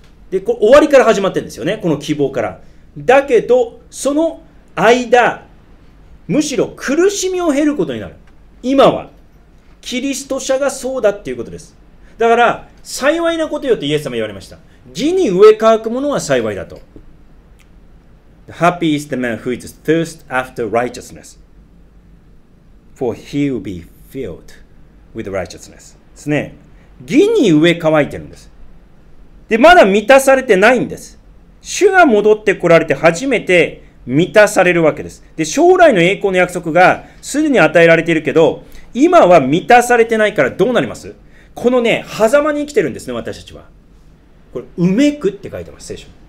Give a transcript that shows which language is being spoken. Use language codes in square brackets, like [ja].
[ja] でこ終わりから始まってるんですよね、この希望から。だけどその間、むしろ苦しみを経ることになる。今はキリスト者がそうだっていうことです。だから幸いなことよってイエス様言われました。義に飢え渇くものは幸いだと。 [en] Happy is the man who is thirst after righteousness, for he will be filled with righteousness. [ja] ですね。義に飢え渇いてるんです。で、まだ満たされてないんです。主が戻ってこられて初めて満たされるわけです。で、将来の栄光の約束がすでに与えられているけど、今は満たされてないからどうなります？このね、狭間に生きてるんですね、私たちは。これ、うめくって書いてます、聖書。